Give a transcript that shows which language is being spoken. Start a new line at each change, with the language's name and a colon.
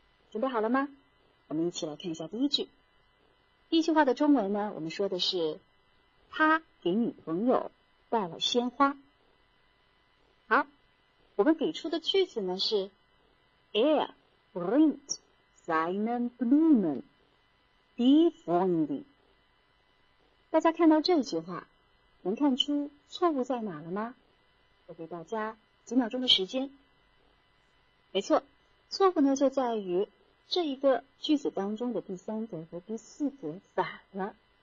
Chinese: 准备好了吗？我们一起来看一下第一句。第一句话的中文呢，我们说的是他给女朋友带了鲜花。好，我们给出的句子呢是
German: Er bringt seinen Blumen die Freundin。
Chinese: 大家看到这句话能看出错误在哪了吗？我给大家几秒钟的时间。没错，错误呢就在于这一个句子当中的第三格和第四格反了。